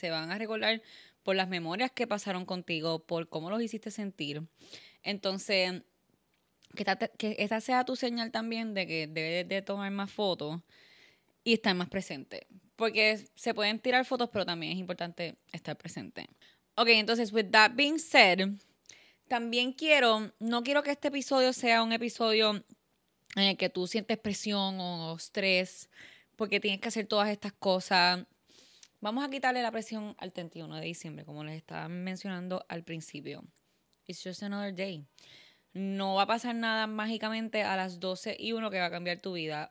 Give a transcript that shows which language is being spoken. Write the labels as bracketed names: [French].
[Spanish] Se van a recordar por las memorias que pasaron contigo, por cómo los hiciste sentir. Entonces, que esta sea tu señal también de que debes de tomar más fotos y estar más presente. Porque se pueden tirar fotos, pero también es importante estar presente. [English] Ok, [Spanish] entonces, [English] with that being said... [Spanish] También quiero, no quiero que este episodio sea un episodio en el que tú sientes presión o estrés porque tienes que hacer todas estas cosas. Vamos a quitarle la presión al 31 de diciembre, como les estaba mencionando al principio. [English] It's just another day. [Spanish] No va a pasar nada mágicamente a las 12 y 1 que va a cambiar tu vida.